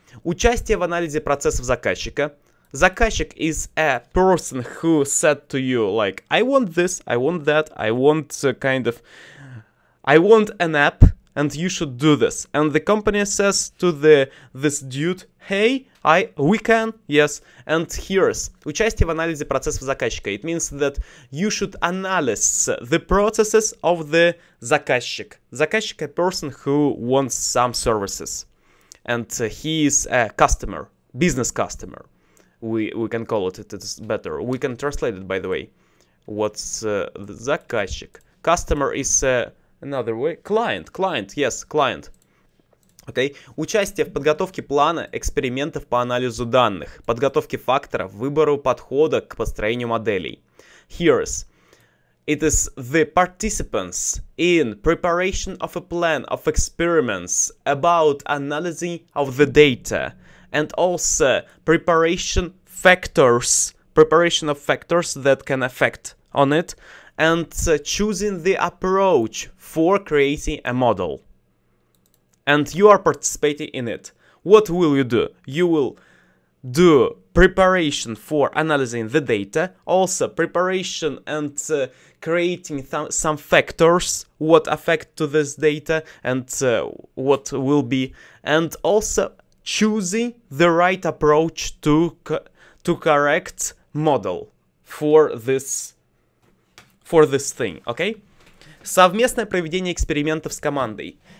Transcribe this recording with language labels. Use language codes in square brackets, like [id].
[ru] Участие в анализе процессов заказчика. [en] Заказчик is a person who said to you, like, I want this, I want that, I want I want an app, and you should do this. And the company says to this dude, hey, we can, yes, and here's. [ru] Участие в анализе процессов заказчика. [en] It means that you should analyze the processes of the заказчик. Заказчик a person who wants some services. And he is a customer, business customer. We can call it better. We can translate it, by the way. What's the заказчик? Customer is another way. Client, yes, client. Okay. [ru] Участие в подготовке плана экспериментов по анализу данных, подготовке факторов, выбору подхода к построению моделей. [en] Here's. It is the participants in preparation of a plan of experiments about analyzing of the data. And also preparation of factors that can affect on it, and choosing the approach for creating a model. And you are participating in it. What will you do? You will do preparation for analyzing the data, also preparation and creating some factors, what affect to this data and what will be, and also choosing the right approach to correct model for this thing, okay? [ru] Совместное проведение экспериментов с командой.